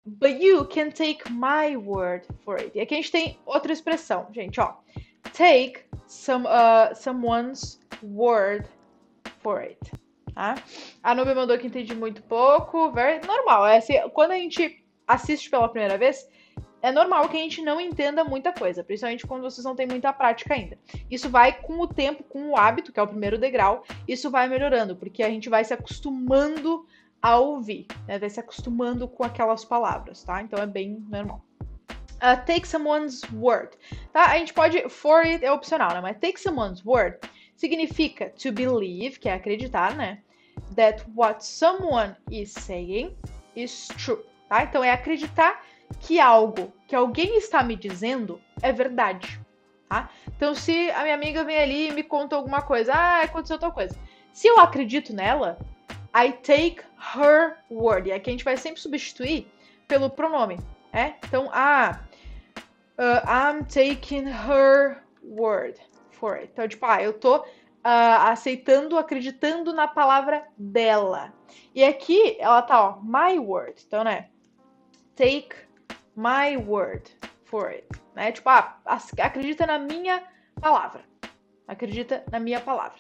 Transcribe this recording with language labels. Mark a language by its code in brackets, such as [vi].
[en] But you can take my word for it. [pt] E aqui a gente tem outra expressão, gente, ó. [en] Take someone's word for it. [pt] Tá? A Nubia mandou que entende muito pouco. [en] Very normal. [pt] É assim, quando a gente assiste pela primeira vez, é normal que a gente não entenda muita coisa, principalmente quando vocês não têm muita prática ainda. Isso vai com o tempo, com o hábito, que é o primeiro degrau, isso vai melhorando, porque a gente vai se acostumando a ouvir, né? Vai se acostumando com aquelas palavras, tá? Então é bem normal. [en] Take someone's word. [pt] Tá? A gente pode. [en] For it [pt] é opcional, né? Mas [en] take someone's word [pt] significa [en] to believe, [pt] que é acreditar, né? [en] That what someone is saying is true. [pt] Tá? Então é acreditar que algo que alguém está me dizendo é verdade. Tá? Então, se a minha amiga vem ali e me conta alguma coisa, ah, aconteceu tal coisa. Se eu acredito nela, [en] I take her word. [pt] E aqui a gente vai sempre substituir pelo pronome, né? Então, [en] I'm taking her word for it. [pt] Então, tipo, eu tô aceitando, acreditando na palavra dela. E aqui ela tá, ó, [en] my word. [pt] Então, né? [en] Take my word for it. [pt] Né? Tipo, acredita na minha palavra. Acredita na minha palavra.